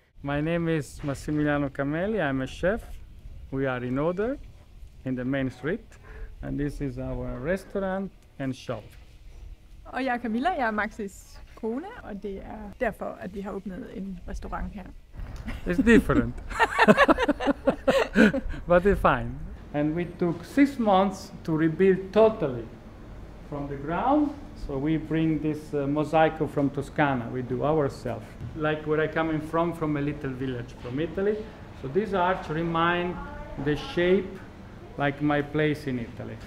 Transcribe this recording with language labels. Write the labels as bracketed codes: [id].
[en] My name is Massimiliano Camelli. I'm a chef. We are in order in the main street. And this is our restaurant and shop. [da] Og jeg er Camilla, jeg er Maxis kone, og det er derfor, at vi har åbnet en restaurant her. [en] It's different. But it's fine. And we took 6 months to rebuild totally from the ground. So we bring this mosaic from Toscana, we do ourselves. Like where I come from a little village from Italy. So this arch remind the shape like my place in Italy.